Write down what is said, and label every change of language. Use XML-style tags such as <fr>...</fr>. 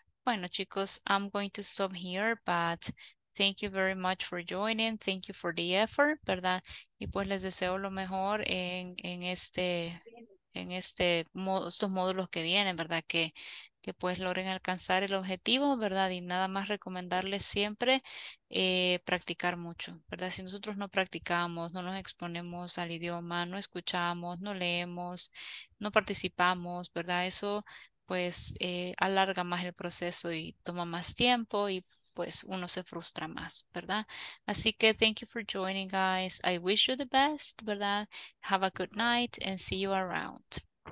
<es>Bueno, chicos,</es> <en>I'm going to stop here, but thank you very much for joining. Thank you for the effort,</en> <es>¿verdad? Y pues les deseo lo mejor en estos módulos que vienen, ¿verdad? Que pues logren alcanzar el objetivo, ¿verdad? Y nada más recomendarles siempre practicar mucho, ¿verdad? Si nosotros no practicamos, no nos exponemos al idioma, no escuchamos, no leemos, no participamos, ¿verdad? Eso... pues alarga más el proceso y toma más tiempo y pues uno se frustra más, ¿verdad? Así que</es> <en>thank you for joining, guys. I wish you the best,</en> <es>¿verdad?</es> <en>Have a good night and see you around.</en>